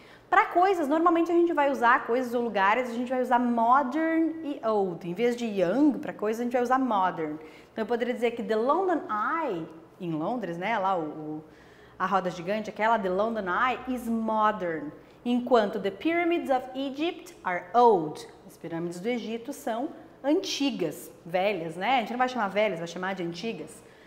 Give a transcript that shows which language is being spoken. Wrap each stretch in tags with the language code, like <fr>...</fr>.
<pt>Para coisas, normalmente a gente vai usar coisas ou lugares, a gente vai usar modern e old. Em vez de young, para coisas, a gente vai usar modern. Então eu poderia dizer que the London Eye, em Londres, né, lá a roda gigante, aquela the London Eye,</pt> <en>is modern.</en> <pt>Enquanto</pt> <en>the pyramids of Egypt are old.</en> <pt>As pirâmides do Egito são antigas, velhas, né? A gente não vai chamar velhas, vai chamar de antigas.</pt>